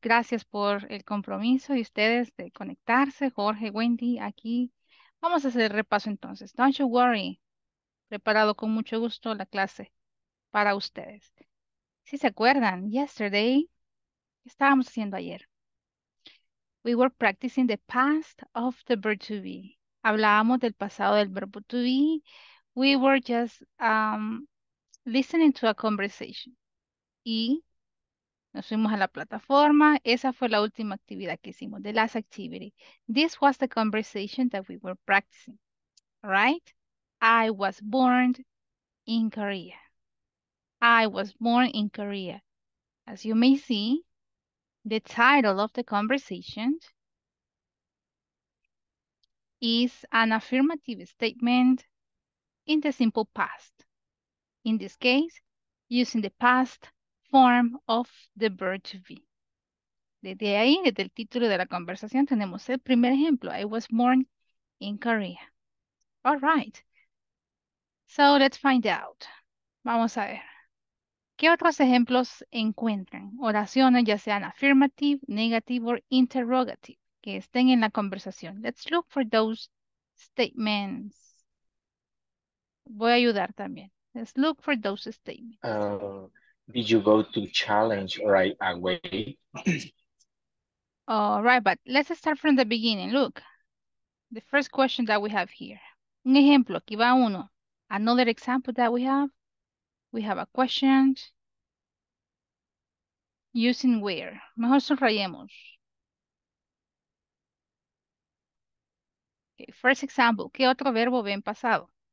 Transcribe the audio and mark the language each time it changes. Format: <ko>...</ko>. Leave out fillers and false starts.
<es>Gracias por el compromiso y ustedes de conectarse. Jorge, Wendy, aquí. Vamos a hacer el repaso entonces.</es> <en>Don't you worry.</en> <es>Preparado con mucho gusto la clase para ustedes. Si se acuerdan, yesterday, ¿qué estábamos haciendo ayer?</es> <en>We were practicing the past of the verb to be.</en> <es>Hablábamos del pasado del verbo to be.</es> <en>We were just listening to a conversation.</en> <es>Y nos fuimos a la plataforma. Esa fue la última actividad que hicimos,</es> <en>the last activity. This was the conversation that we were practicing, right? I was born in Korea. I was born in Korea. As you may see, the title of the conversation is an affirmative statement in the simple past. In this case, using the past form of the verb to be.</en> <es>Desde ahí, desde el título de la conversación, tenemos el primer ejemplo.</es> <en>I was born in Korea. All right. So let's find out.</en> <es>Vamos a ver. ¿Qué otros ejemplos encuentran? Oraciones, ya sean</es> <en>affirmative, negative, or interrogative,</en> <es>que estén en la conversación.</es> <en>Let's look for those statements.</en> <es>Voy a ayudar también.</es> <en>Let's look for those statements. Did you go to challenge right away? All right, but let's start from the beginning. Look, the first question that we have here.</en> <es>Un ejemplo, aquí va uno.</es> <en>Another example that we have a question using where.</en> <es>Mejor subrayemos.</es> <en>Okay, first example,</en> <es>¿qué otro verbo ve en pasado?</es>